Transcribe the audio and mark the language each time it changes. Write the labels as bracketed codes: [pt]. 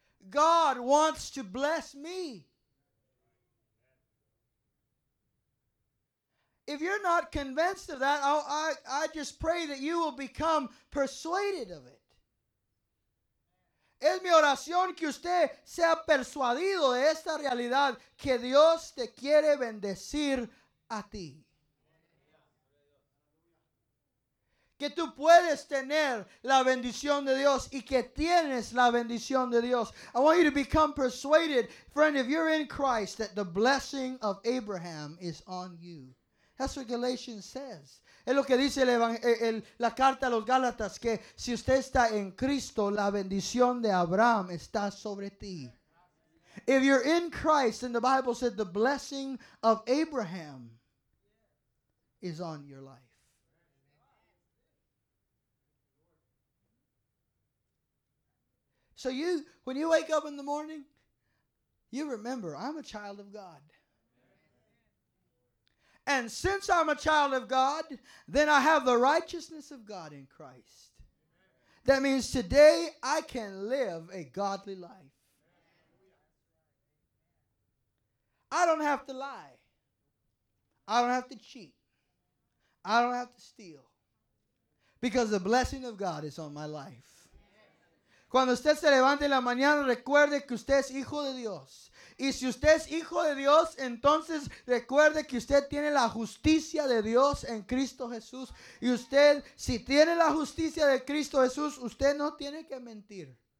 [en] God wants to bless me. If you're not convinced of that, I just pray that you will become persuaded of it. [es] Es mi oración que usted sea persuadido de esta realidad, que Dios te quiere bendecir a ti. Que tú puedes tener la bendición de Dios y que tienes la bendición de Dios. [en] I want you to become persuaded, friend, if you're in Christ, that the blessing of Abraham is on you. That's what Galatians says. [es] Es lo que dice la carta a los Gálatas, que si usted está en Cristo, la bendición de Abraham está sobre ti. [en] If you're in Christ, then the Bible said the blessing of Abraham is on your life. So you, when you wake up in the morning, you remember, I'm a child of God. And since I'm a child of God, then I have the righteousness of God in Christ. That means today I can live a godly life. I don't have to lie. I don't have to cheat. I don't have to steal. Because the blessing of God is on my life. [es] Cuando usted se levante en la mañana, recuerde que usted es hijo de Dios. Y si usted es hijo de Dios, entonces recuerde que usted tiene la justicia de Dios en Cristo Jesús. Y usted, si tiene la justicia de Cristo Jesús, usted no tiene que mentir.